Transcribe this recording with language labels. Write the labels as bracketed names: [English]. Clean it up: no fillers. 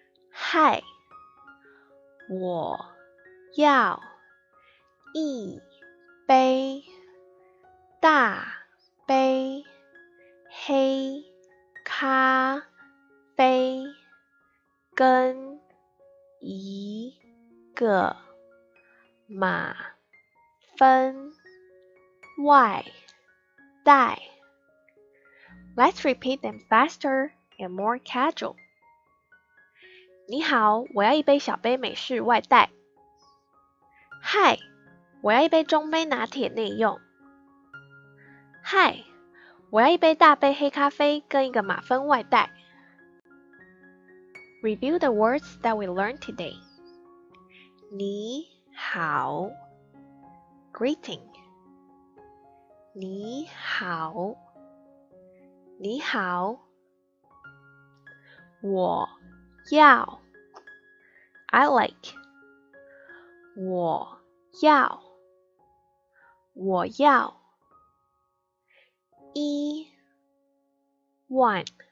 [Chinese] 嗨，我要一杯大杯黑咖啡跟一个马分外带。 [English] Let's repeat them faster and more casual. [Chinese] 你好，我要一杯小杯美式外带。嗨，我要一杯中杯拿铁内用。嗨，我要一杯大杯黑咖啡跟一个马芬外带。 [English] Review the words that we learned today. [Chinese] 你好 Greeting 你好你好我要 [English] I like [Chinese] 我要我要一 one